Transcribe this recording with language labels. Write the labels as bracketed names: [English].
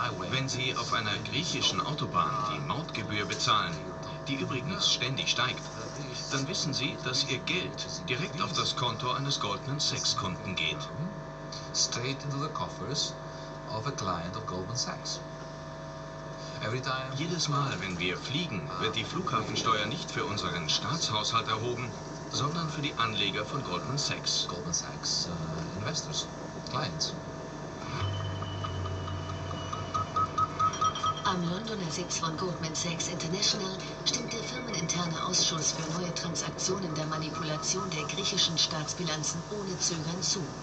[German] Wenn Sie auf einer griechischen Autobahn die Mautgebühr bezahlen, die übrigens ständig steigt, dann wissen Sie, dass Ihr Geld direkt auf das Konto eines Goldman Sachs-Kunden geht. [English] Straight into the coffers of a client of Goldman Sachs. [German] Jedes Mal, wenn wir fliegen, wird die Flughafensteuer nicht für unseren Staatshaushalt erhoben, sondern für die Anleger von Goldman Sachs. [English] Goldman Sachs Investors, Clients. [German] Am Londoner Sitz von Goldman Sachs International stimmt der firmeninterne Ausschuss für neue Transaktionen der Manipulation der griechischen Staatsbilanzen ohne Zögern zu.